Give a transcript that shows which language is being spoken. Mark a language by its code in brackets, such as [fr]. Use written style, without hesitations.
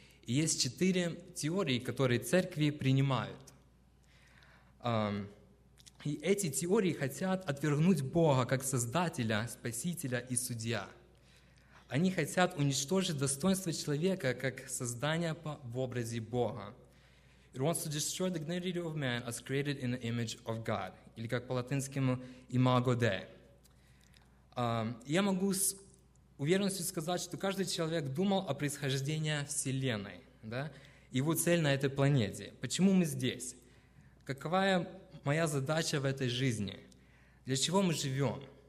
[ru] И есть четыре теории, которые церкви принимают. И эти теории хотят отвергнуть Бога как Создателя, Спасителя и Судья. Они хотят уничтожить достоинство человека как создание в образе Бога. [en] It wants to destroy the dignity of man as created in the image of God. [ru] Или как по-латынскому [la] «imago Dei». [ru] Я могу с уверенностью сказать, что каждый человек думал о происхождении Вселенной, да? Его цель на этой планете. Почему мы здесь? Какова моя задача в этой жизни? Для чего мы живем?